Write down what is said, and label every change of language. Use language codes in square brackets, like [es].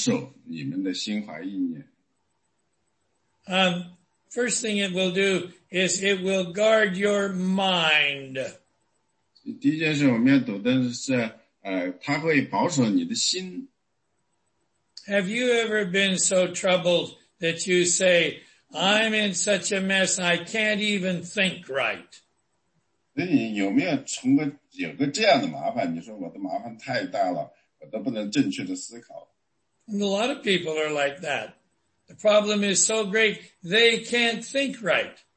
[zh] 所以这个呢，必保守你们的心怀意念。 [en] First thing it will do is it will guard your mind. [zh] 第一件事我们要读的是，它会保守你的心。 [en] Have you ever been so troubled that you say, I'm in such a mess, I can't even think right? [zh] 那你有没有成过有个这样的麻烦？你说我的麻烦太大了，我都不能正确的思考。 [en] A lot of people are like that. The problem is so great, they can't think right.